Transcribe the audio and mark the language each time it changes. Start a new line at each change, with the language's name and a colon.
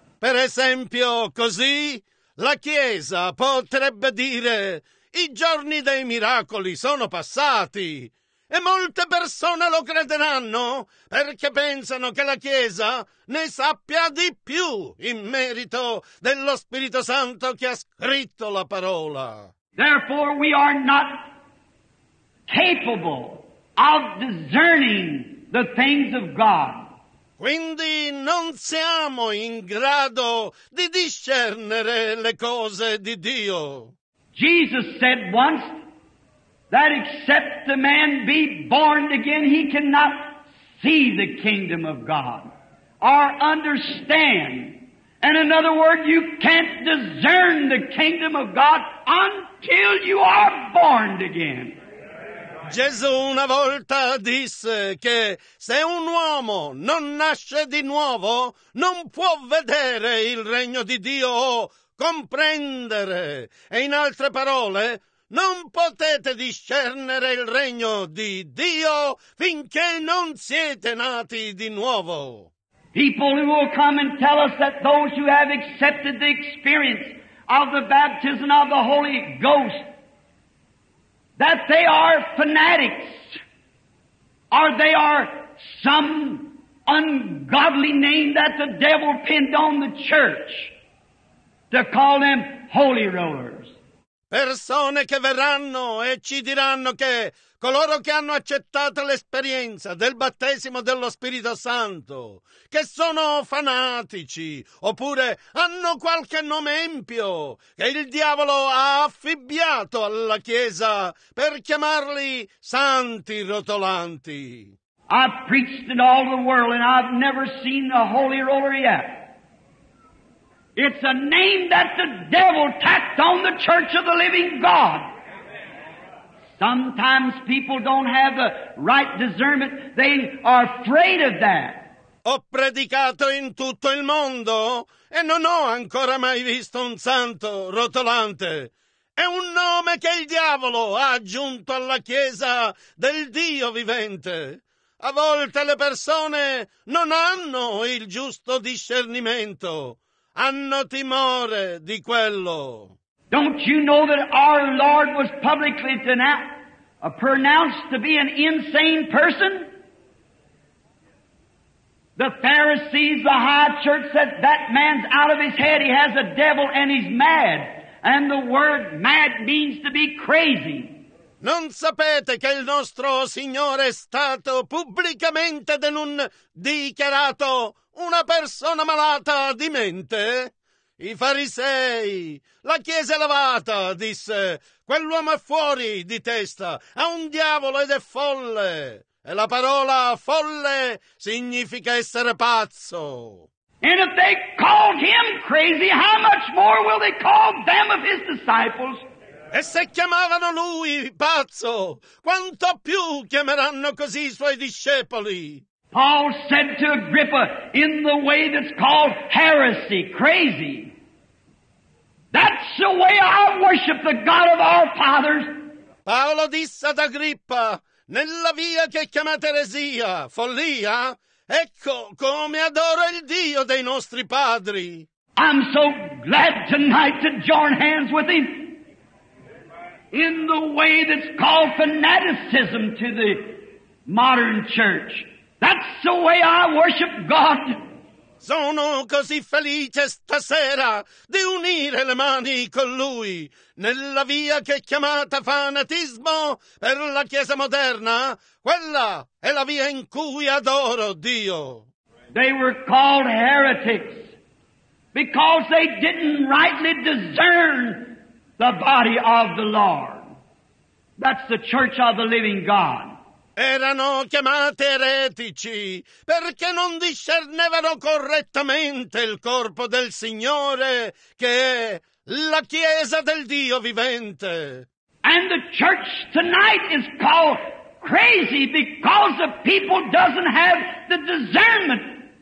Italian: Per esempio, così, la Chiesa potrebbe dire «I giorni dei miracoli sono passati» e molte persone lo crederanno perché pensano che la Chiesa ne sappia di più in merito dello Spirito Santo che ha scritto la parola.
English: Therefore we are not capable of discerning the things of God.
Italian: Quindi non siamo in grado di discernere le cose di Dio.
English: Jesus said once that except the man be born again, he cannot see the kingdom of God or understand. And in other words, you can't discern the kingdom of God until you are born again.
Italian: Gesù una volta disse che se un uomo non nasce di nuovo, non può vedere il regno di Dio o comprendere. E in altre parole, non potete discernere il regno di Dio finché non siete nati di nuovo.
English: People who will come and tell us that those who have accepted the experience of the baptism of the Holy Ghost, that they are fanatics, or they are some ungodly name that the devil pinned on the church, to call them holy rollers.
Italian: Persone che verranno e ci diranno che coloro che hanno accettato l'esperienza del battesimo dello Spirito Santo, che sono fanatici, oppure hanno qualche nome empio che il diavolo ha affibbiato alla Chiesa per chiamarli santi rotolanti.
English: I've preached in all the world and I've never seen a holy roller yet. It's a name that the devil tacked on the church of the living God. Sometimes people don't have the right discernment. They are afraid of that.
Italian: Ho predicato in tutto il mondo e non ho ancora mai visto un santo rotolante. È un nome che il diavolo ha aggiunto alla Chiesa del Dio vivente. A volte le persone non hanno il giusto discernimento. Hanno timore di quello.
English: Don't you know that our Lord was publicly pronounced to be an insane person? The Pharisees, the high church, said that man's out of his head. He has a devil and he's mad. And the word mad means to be crazy.
Italian: Non sapete che il nostro Signore è stato pubblicamente dichiarato una persona malata di mente? I farisei, la chiesa elevata, disse, quell'uomo è fuori di testa, ha un diavolo ed è folle. E la parola folle significa essere pazzo.
English: And if they called him crazy, how much more will they call them of his disciples?
Italian: E se chiamavano lui pazzo, quanto più chiameranno così i suoi discepoli?
English: Paul said to Agrippa, in the way that's called heresy, crazy. That's the way I worship the God of our fathers.
Italian: Paolo disse ad Agrippa, nella via che chiamate eresia, follia, ecco come adoro il Dio dei nostri padri.
English: I'm so glad tonight to join hands with him. In the way that's called fanaticism to the modern church. That's the way I worship God.
Italian: Sono così felice stasera di unire le mani con lui nella via che è chiamata fanatismo per la Chiesa moderna. Quella è la via in cui adoro Dio.
English: They were called heretics because they didn't rightly discern the body of the Lord. That's the church of the living God.
Italian: Erano chiamate eretici perché non discernevano correttamente il corpo del Signore, che è la Chiesa del Dio vivente.
English: And the church tonight is called crazy because the people doesn't have the discernment.